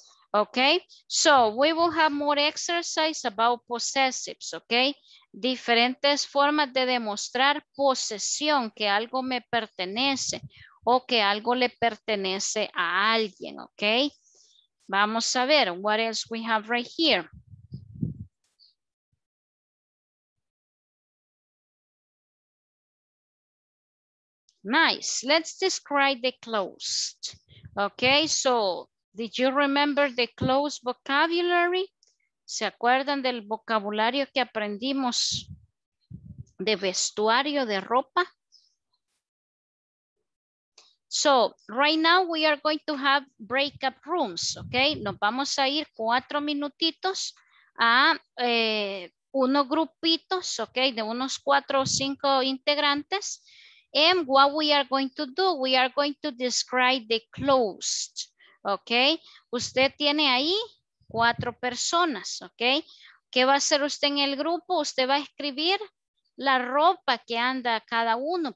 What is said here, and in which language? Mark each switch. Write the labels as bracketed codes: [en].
[en] Okay, so we will have more exercise about possessives, okay? [es] Diferentes formas de demostrar posesión, que algo me pertenece o que algo le pertenece a alguien, okay? [en] Vamos a ver, what else we have right here? Nice, let's describe the closed, okay? So, did you remember the clothes vocabulary? [es] ¿Se acuerdan del vocabulario que aprendimos de vestuario, de ropa? [en] So, right now we are going to have breakout rooms, okay? [es] Nos vamos a ir 4 minutitos a unos grupitos, okay? De unos 4 o 5 integrantes. [en] And what we are going to do, we are going to describe the closed. [es] Ok, usted tiene ahí 4 personas, ok. ¿Qué va a hacer usted en el grupo? Usted va a escribir la ropa que anda cada uno.